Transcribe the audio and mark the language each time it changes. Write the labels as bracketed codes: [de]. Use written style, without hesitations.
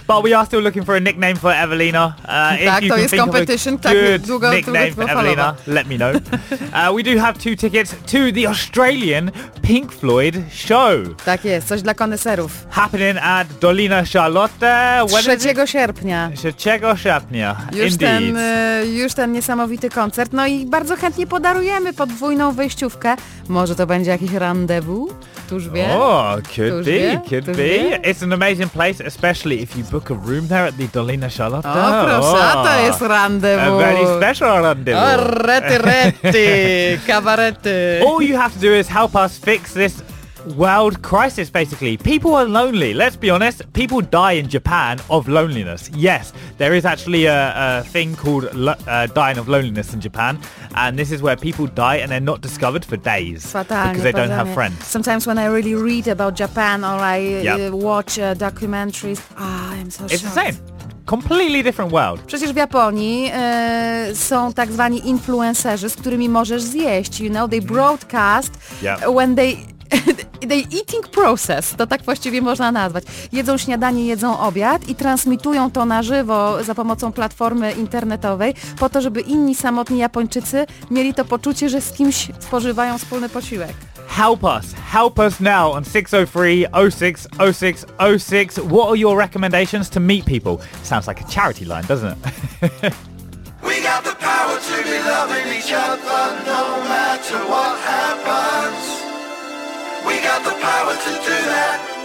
[en] But we are still looking for a nickname for Ewelina. [pl] Tak, to jest competition. Tak, długo [en] nickname for Ewelina, let me know. We do have two tickets to the Australian Pink Floyd show. [pl] Tak jest, coś dla koneserów. [en] Happening at Dolina Charlotte. [pl] 3 sierpnia. 3 sierpnia, już [en] indeed. [pl] Już ten niesamowity koncert. No i bardzo chętnie podarujemy podwójną wejściówkę. Może to będzie jakiś rendezvous? [en] Could be. It's an amazing place, especially if you book a room there at the Dolina Charlotte. [pl] Oh, proszę, to jest rendezvous. [en] A very special rendezvous. Retty, cabaretty. All you have to do is help us fix this world crisis, basically. People are lonely. Let's be honest. People die in Japan of loneliness. Yes, there is actually a thing called dying of loneliness in Japan. And this is where people die and they're not discovered for days. [pl] Fatalnie, [en] because they don't have friends. Sometimes when I really read about Japan or I watch documentaries, I'm so shocked. It's the same. Completely different world. [pl] Przecież w Japonii są tak zwani influencerzy, z którymi możesz zjeść. [en] You know, they broadcast when they... The eating process, [pl] to tak właściwie można nazwać. Jedzą śniadanie, jedzą obiad i transmitują to na żywo za pomocą platformy internetowej po to, żeby inni samotni Japończycy mieli to poczucie, że z kimś spożywają wspólny posiłek. [en] Help us now on 603-06-06-06. What are your recommendations to meet people? Sounds like a charity line, doesn't it? We got the power to be loving each other no matter what happens. We got the power to do that.